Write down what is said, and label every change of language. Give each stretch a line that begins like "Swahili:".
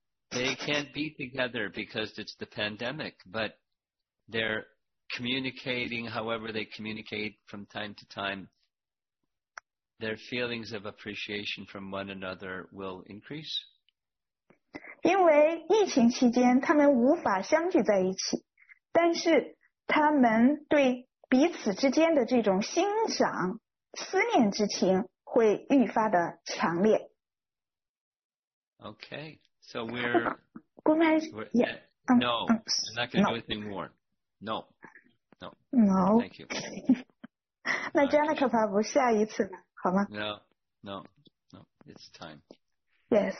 English: They can't be together because it's the pandemic, but they're communicating however they communicate from time to time. Their feelings of appreciation from one another will increase.
Chinese: 因为疫情期间他们无法相聚在一起，但是他们对彼此之间的这种欣赏、思念之情会愈发的强烈。
English: Okay, so we're not going to do anything more. Thank you.
Chinese: 那 Janaka Prabhu 下一次呢？
English: No, it's time. Yes.